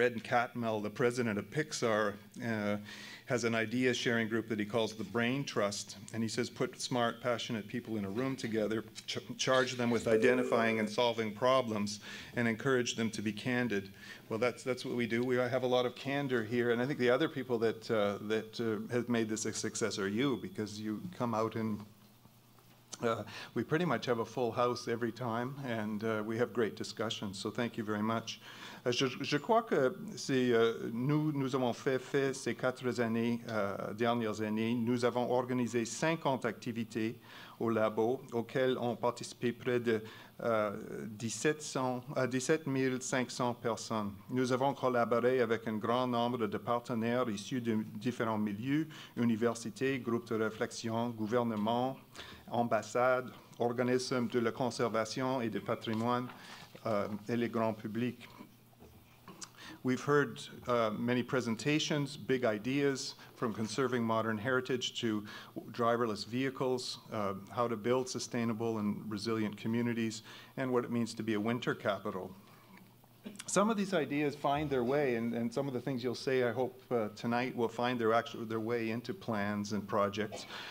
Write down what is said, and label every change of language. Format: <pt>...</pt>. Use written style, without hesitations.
<en>Ed Catmull, the president of Pixar, has an idea sharing group that he calls the Brain Trust, and he says put smart, passionate people in a room together, charge them with identifying and solving problems, and encourage them to be candid. Well, that's what we do. We have a lot of candor here, and I think the other people that have made this a success are you, because you come out and we pretty much have a full house every time, and we have great discussions, so thank you very much.</en> <fr>Je crois que nous avons fait ces quatre années, dernières années, nous avons organisé 50 activités au labo auxquelles ont participé près de 17 500 personnes. Nous avons collaboré avec un grand nombre de partenaires issus de différents milieux, universités, groupes de réflexion, gouvernements, ambassades, organismes de la conservation et du patrimoine et les grands publics.</fr> <en>We've heard many presentations, big ideas, from conserving modern heritage to driverless vehicles, how to build sustainable and resilient communities, and what it means to be a winter capital. Some of these ideas find their way, and some of the things you'll say, I hope, tonight will find their way into plans and projects.</en>